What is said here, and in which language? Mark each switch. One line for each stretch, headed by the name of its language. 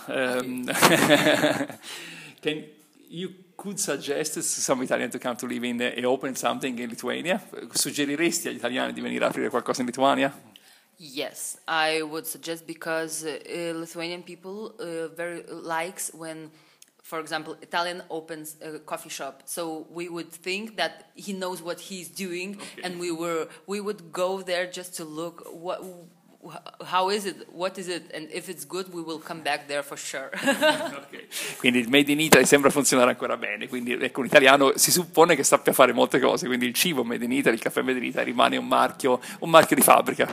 English: Can you could suggest some Italian to come to live in and open something in Lithuania?
Italian: Suggeriresti agli italiani di venire a aprire qualcosa in Lithuania?
English: Yes, I would suggest because Lithuanian people very likes when, for example, Italian opens a coffee shop. So we would think that he knows what he's doing, okay. And we would go there just to look what. How is it? What is it? And if it's good, we will come back there for sure. Okay.
Italian: Quindi il made in Italy sembra funzionare ancora bene. Quindi ecco, un italiano si suppone che sappia fare molte cose. Quindi il cibo made in Italy, il caffè made in Italy rimane un marchio di fabbrica.